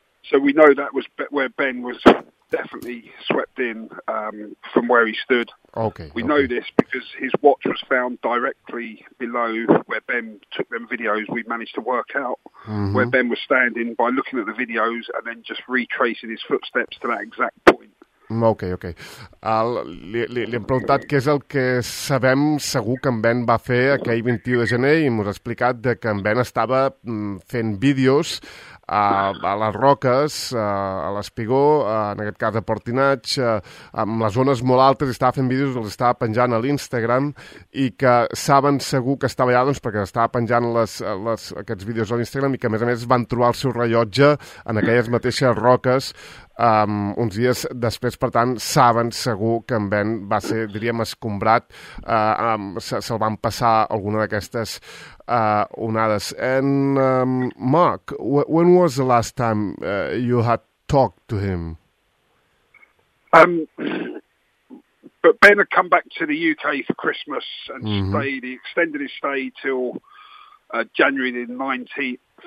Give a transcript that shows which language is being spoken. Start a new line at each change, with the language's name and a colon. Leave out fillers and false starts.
English: So we know that was where Ben was definitely swept in from where he stood. Okay. We know this because his watch was found directly below where Ben took them videos. We managed to work out where Ben was standing by looking at the videos and then just retracing his footsteps to that exact point. Okay.
Catalan: Li hem preguntat què és el que sabem segur que en Ben va fer aquell 21 de gener i m'ho has explicat de que en Ben estava fent vídeos a les roques, a l'Espigó, en aquest cas a Portinatge, amb les zones molt altes, estava fent vídeos, els estava penjant a l'Instagram i que saben segur que estava allà doncs, perquè estava penjant aquests vídeos a l'Instagram i que a més van trobar el seu rellotge en aquelles mateixes roques uns dies després, per tant, saben segur que en Ben va ser, diríem, escombrat, se'l van passar alguna d'aquestes onades.
English: And, Mark, when was the last time you had talked to him? But Ben had come back to the UK for Christmas and stayed, he extended his stay till January the 19th.